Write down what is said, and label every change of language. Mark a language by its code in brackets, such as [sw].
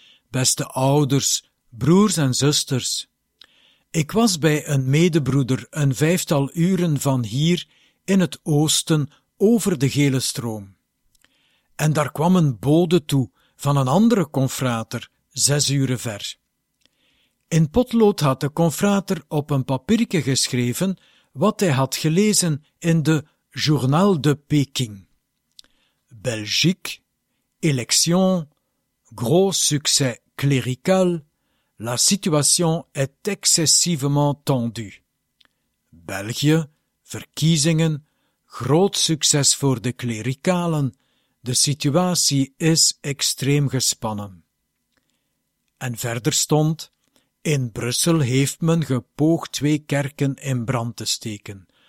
[nl] Beste ouders, broers en zusters, ik was bij een medebroeder een vijftal uren van hier in het oosten over de gele stroom. En daar kwam een bode toe van een andere confrater, 6 uren ver. In potlood had de confrater op een papiertje geschreven wat hij had gelezen in de Journal de Peking. [fr] Belgique, élection, gros succès clérical, la situation est excessivement tendue. [nl] België, verkiezingen, groot succes voor de klerikalen, de situatie is extreem gespannen. En verder stond, in Brussel heeft men gepoogd 2 kerken in brand te steken.